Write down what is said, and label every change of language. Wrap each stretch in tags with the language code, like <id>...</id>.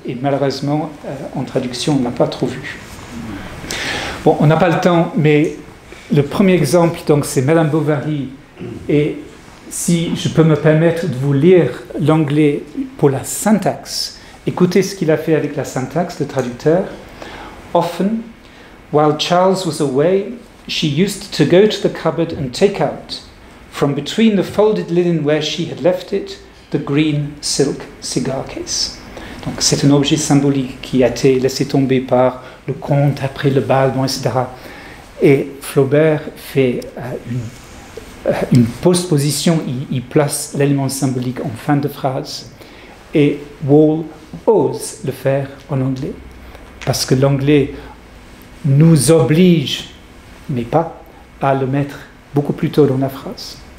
<fr>Et malheureusement, en traduction, on ne l'a pas trop vue. Bon, on n'a pas le temps, mais le premier exemple, donc, c'est Madame Bovary. Et si je peux me permettre de vous lire l'anglais pour la syntaxe, écoutez ce qu'il a fait avec la syntaxe, le traducteur.</fr> <en>Often, while Charles was away, she used to go to the cupboard and take out, from between the folded linen where she had left it, the green silk cigar case.</en> <fr>Donc, c'est un objet symbolique qui a été laissé tomber par le comte après le bal, bon, etc. Et Flaubert fait une postposition, il place l'élément symbolique en fin de phrase. et Wall ose le faire en anglais, parce que l'anglais nous oblige, mais pas, à le mettre beaucoup plus tôt dans la phrase.</fr>